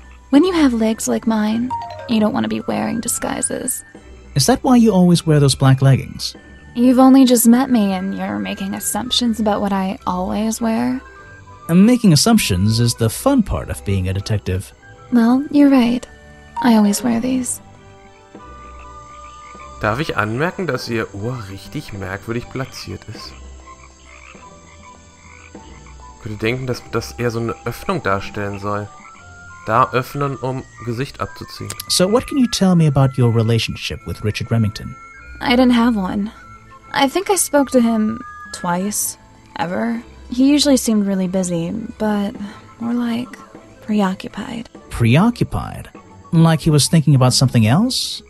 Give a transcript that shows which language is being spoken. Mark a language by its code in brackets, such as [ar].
[en] When you have legs like mine, you don't want to be wearing disguises. Is that why you always wear those black leggings? You've only just met me and you're making assumptions about what I always wear. And making assumptions is the fun part of being a detective. Well, you're right. I always wear these. [de] Darf ich anmerken, dass ihr Ohr richtig merkwürdig platziert ist? Ich könnte denken, dass das eher so eine Öffnung darstellen soll. Da öffnen, um Gesicht abzuziehen. [en] So what can you tell me about your relationship with Richard Remington? I didn't have one. I think I spoke to him twice, ever. He usually seemed really busy, but more like preoccupied. Preoccupied? Like he was thinking about something else?